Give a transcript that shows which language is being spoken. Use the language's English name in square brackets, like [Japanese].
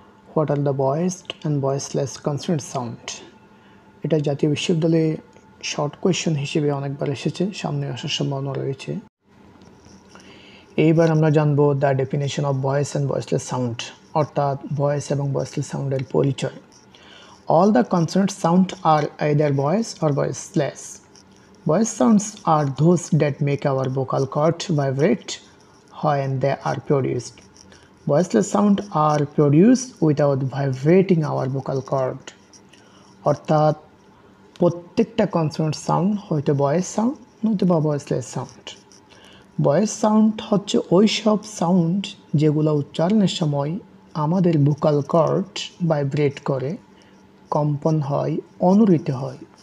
[English] What are the voiced and voiceless consonant sound. [Bangla] এটা জাতীয় বিশ্ববিদ্যালয়ে শর্ট কোয়েশ্চন হিসেবে অনেকবার এসেছে, সামনে আসার সম্ভাবনা রয়েছে। এইবার আমরা জানব [English] the definition of voice and voiceless sound, [Bangla] অর্থাৎ ভয়েস এবং ভয়েসলেস সাউন্ডের পরিচয়। [English] All the consonant sound are either voice or voiceless. Voice sounds are those that make our vocal cord vibrate when they are produced. Voiceless sounds are produced without vibrating our vocal cord. [Bangla] অর্থাৎ প্রত্যেকটা consonant sound হয়তো voice sound নয়তো বা voiceless sound. Voice sound হচ্ছে ওই সব sound যেগুলো উচ্চারণের সময় আমাদের ভোকাল কর্ড ভাইব্রেট করে, কম্পন হয়, অনুরিত হয়।